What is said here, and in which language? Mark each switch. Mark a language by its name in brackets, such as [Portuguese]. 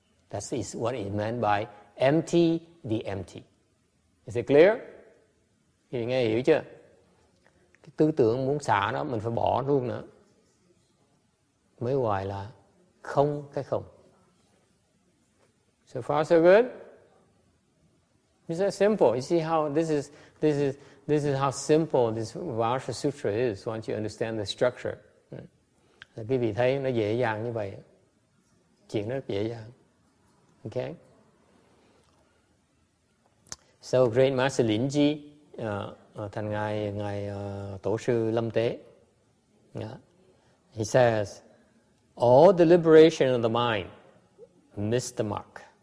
[English] That is what is meant by empty the empty. Is it clear? [Vietnamese] Thì nghe hiểu chưa? Cái tư tưởng muốn xả nó, mình phải bỏ luôn nữa. Mới hoài là không cái không. [English] So far so good? It's that simple. You see how this is how simple this Vajra Sutra is once you understand the structure. [Vietnamese] Là quý vị thấy nó dễ dàng như vậy. Chuyện nó dễ dàng. Okay? So great Master Lin Ji, thành ngài Tổ sư Lâm Tế. [English] He says, all the liberation of the mind missed the mark.